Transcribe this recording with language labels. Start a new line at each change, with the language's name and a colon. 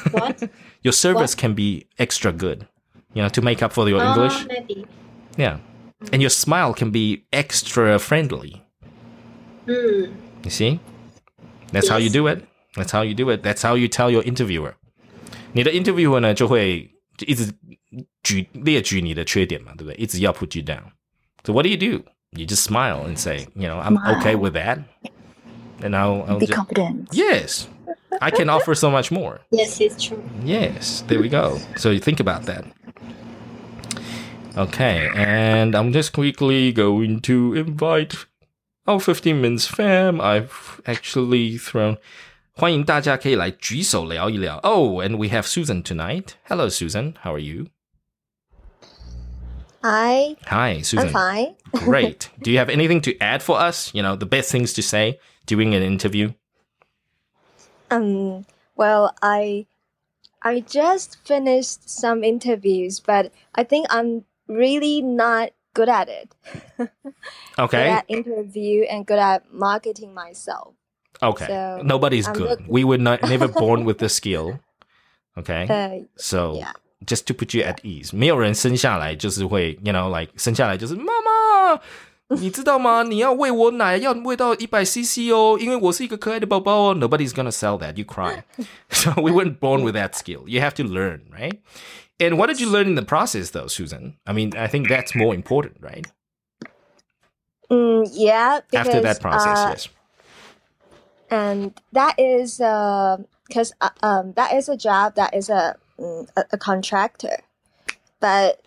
English: What? Your service can be extra good, you know, to make up for your English. Maybe. Yeah. And your smile can be extra friendly. Mm. You see? That's how you do it. That's how you do it. That's how you tell your interviewer.
Chinese: 你的 interviewer 呢就会一直列举你的缺点嘛，对不对？
English: 一直要 put you down. So what do? You just smile and say, you know, I'm okay with that. And I'll be confident. Yes. I can offer so much more. Yes, it's true. Yes. There we go. So you think about that. Okay. And I'm just quickly going to invite our 15 Minutes fam. I've actually thrown...
Chinese: 欢迎大家可以来举手聊一聊。
English: Oh, and we have Susan tonight. Hello, Susan. How are you? Hi, Susan. I'm fine. Great. Do you have anything to add for us? You know, the best things to say during an interview? Well, I just finished some interviews, but I think I'm really not good at it. Okay. Good at interview and good at marketing myself. Okay. So nobody's I'm good. Looking. We were not never born with the skill. Okay. So yeah. Just to put you at ease.
Chinese: 没有人生下来就是会 you know, like, 生下来就是妈妈你知道吗你要喂我奶要喂到 100cc 哦因为我是一个可爱的宝宝哦
English: Nobody's gonna sell that. You cry. So we weren't born with that skill. You have to learn, right? And what did you learn in the process though, Susan? I mean, I think that's more important, right? Yeah. Because, after that process, yes. And that is, because that is a job that is a contractor, but